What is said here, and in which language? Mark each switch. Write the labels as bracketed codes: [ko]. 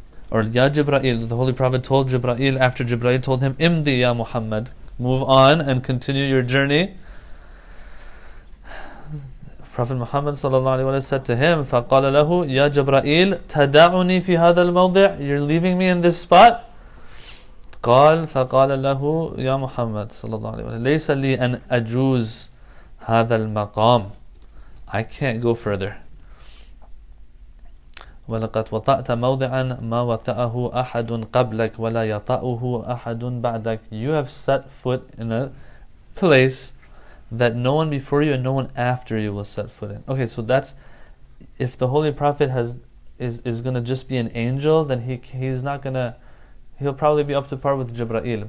[en] Or Ya Jibra'il, the Holy Prophet told Jibra'il, after Jibra'il told him, Imdi Ya Muhammad, move on and continue your journey. Prophet Muhammad sallallahu alayhi wa sallam said to him, [ar] فَقَالَ لَهُ يَا جَبْرَائِيلُ تَدَعُنِي فِي هَذَا الْمَوْضِعِ, [en] you're leaving me in this spot. [ar] قَالْ فَقَالَ لَهُ يَا مُحَمَّدْ sallallahu alayhi wa sallam, لَيْسَ لِي أَنْ أَجُوز هَذَا الْمَقَامِ, [en] I can't go further. [ar] وَلَقَدْ وَطَأْتَ مَوْضِعًا مَا وَطَأَهُ أَحَدٌ قَبْلَكَ وَلَا يَطَأُهُ أَحَدٌ بَعْدَكَ, [en] you have set foot in a place that no one before you and no one after you will set foot in. Okay, so that's, if the Holy Prophet is going to just be an angel, then he's not going to, he'll probably be up to par with Jibra'il.